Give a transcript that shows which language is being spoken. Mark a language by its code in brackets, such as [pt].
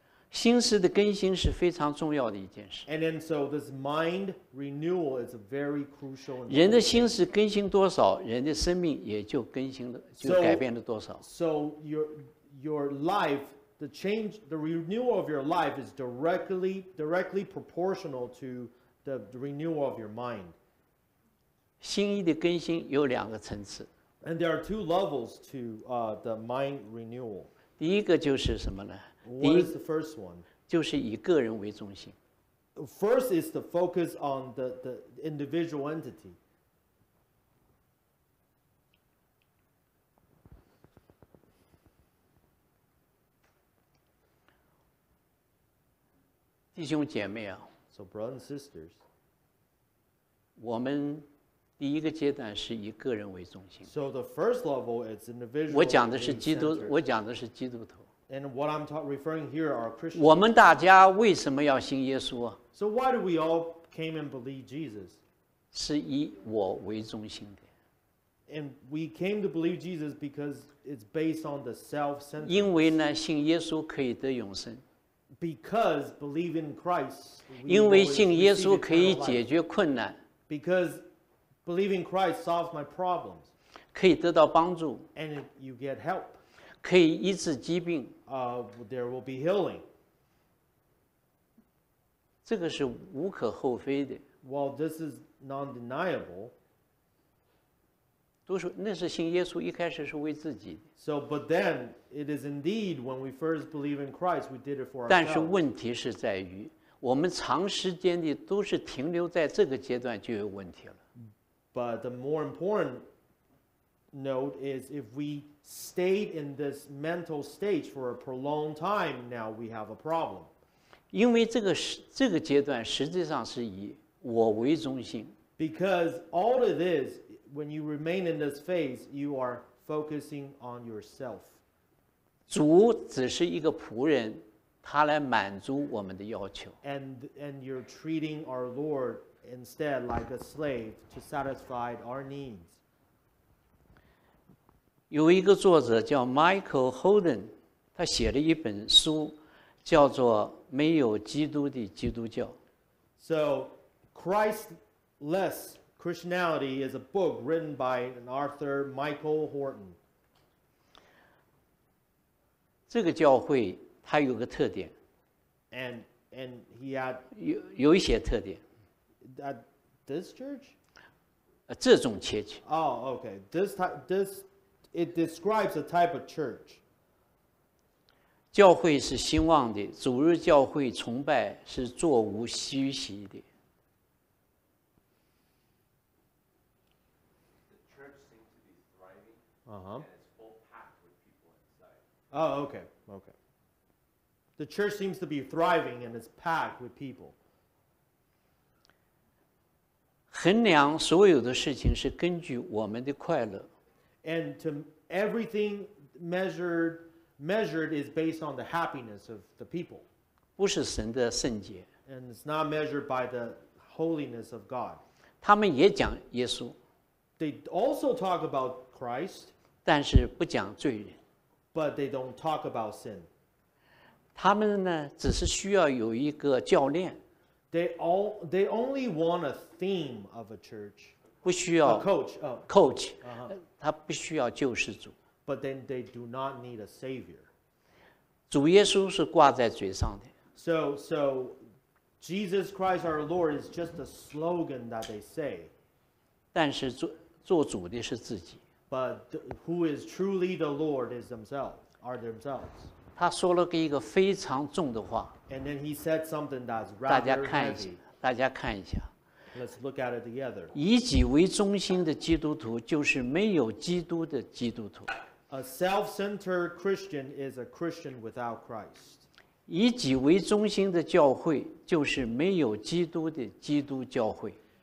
[zh] 心思的更新是非常重要的一件事。 [en] And then so this mind renewal is a very crucial. [zh] 人的心思更新多少，人的生命也就更新了，就改变了多少。 [en] So your life. The change, the renewal of your life is directly proportional to the renewal of your mind. [zh] 心意的更新有两个层次。 [en] And there are two levels to the mind renewal. [zh] 第一个就是什么呢 [en] ？What is the first one? [zh] 就是以个人为中心。 [en] First is the focus on the individual entity. [zh] 弟兄姐妹啊 [en] ，So brothers and sisters， [zh] 我们第一个阶段是以个人为中心。 [en] So the first level is individual. [zh] 我讲的是基督，我讲的是基督徒。 [en] And what I'm referring here are Christians. [zh] 我们大家为什么要信耶稣啊 [en] ？So why do we all came and believe Jesus？ [zh] 是以我为中心的。 [en] And we came to believe Jesus because it's based on the self-centered. [zh] 因为呢，信耶稣可以得永生。 [en] Because believing in Christ, [zh] 因为信耶稣可以解决困难。 [en] Because believing Christ solves my problems, [zh] 可以得到帮助。 [en] And you get help, [zh] 可以医治疾病。 [en] There will be healing. [zh] 这个是无可厚非的。 [en] Well, this is non-deniable. [zh] 都是那是信耶稣一开始是为自己的。 [en] So, but then it is indeed when we first believe in Christ, we did it for ourselves. [zh] 但是问题是在于，我们长时间的都是停留在这个阶段就有问题了。 [en] But the more important note is if we stayed in this mental stage for a prolonged time, now we have a problem. [zh] 因为这个阶段实际上是以我为中心。 [en] Because all of this, when you remain in this phase, you are. Focusing on yourself. [zh] 主只是一个仆人，他来满足我们的要求。 [en] And you're treating our Lord instead like a slave to satisfy our needs. [zh] 有一个作者叫 Michael Holden， 他写了一本书，叫做《没有基督的基督教》。 [en] So, Christless. Christianity is a book written by an author, Michael Horton. [zh] 这个教会它有个特点。 [en] And he had [zh] 有一些特点。 [en] At this church? [zh] 这种切记。 [en] Oh, okay. This it describes a type of church. [zh] 教会是兴旺的，主日教会崇拜是座无虚席的。 [en] Uh-huh. And it's full packed with people inside. Oh, okay. The church seems to be thriving and it's packed with people. [zh] 衡量所有的事情是根据我们的快乐。 [en] And to everything measured is based on the happiness of the people. [zh] 不是神的圣洁。 [en] And it's not measured by the holiness of God. [zh] 他们也讲耶稣。 [en] They also talk about Christ. [zh] 但是不讲罪人 [en] ，But they don't talk about sin. [zh] 他们呢，只是需要有一个教练。 [en] They only want a theme of a church. [zh] 不需要 [en] coach. [zh] 他不需要救世主。 [en] But then they do not need a savior. [zh] 主耶稣是挂在嘴上的。 [en] So Jesus Christ our Lord is just a slogan that they say. [zh] 但是做主的是自己。 [en] But who is truly the Lord is themselves, are themselves. [zh] 他说了一个非常重的话。 [en] And then he said something that's rather heavy. [zh] 大家看一下。 [en] Let's look at it together. [zh] 以己为中心的基督徒就是没有基督的基督徒。 [en] A self-centered Christian is a Christian without Christ. [zh] 以己为中心的教会就是没有基督的基督教会。